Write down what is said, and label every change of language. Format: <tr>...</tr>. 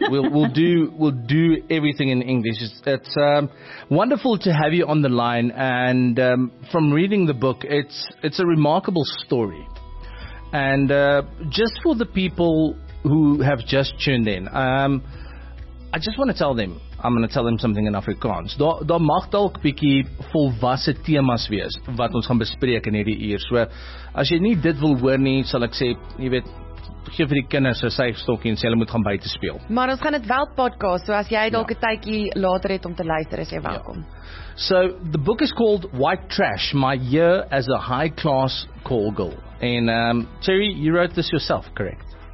<en>We'll do everything in English. It's wonderful to have you on the line, and from reading the book, it's a remarkable story. And just for the people who have just tuned in, I just want to tell them, I'm going to tell them something in Afrikaans.</en> <af>Daar mag dalk bietjie volwasse temas wees wat ons gaan bespreek in hierdie uur. So as jy nie dit wil hoor nie, sal ek sê, jy weet, gee vir die kinders 'n safe stokkie en sê hulle moet gaan buite speel. Maar ons gaan dit wel podcast, so as jy dalk 'n tydjie later het om te luister, is jy welkom. Ja.</af> <en>So the book is called White Trash: My Year as a High Class Call Girl. And Terry, you wrote this yourself, correct?</en>